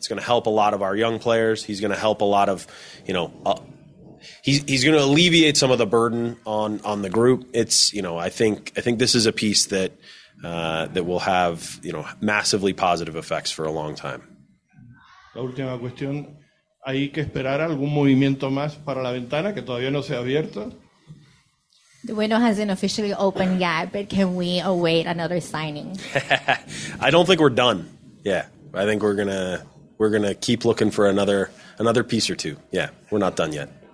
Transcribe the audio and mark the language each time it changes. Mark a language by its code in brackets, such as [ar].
[en] It's going to help a lot of our young players. He's going to help a lot of, you know, he's going to alleviate some of the burden on the group. It's, you know, I think this is a piece that, that will have, you know, massively positive effects for a long time. [es] La última cuestión. ¿Hay que esperar algún movimiento más para la ventana que todavía no se ha abierto? [en] The window hasn't officially opened yet, but can we await another signing? I don't think we're done. Yeah, I think we're gonna keep looking for another piece or two. Yeah, we're not done yet.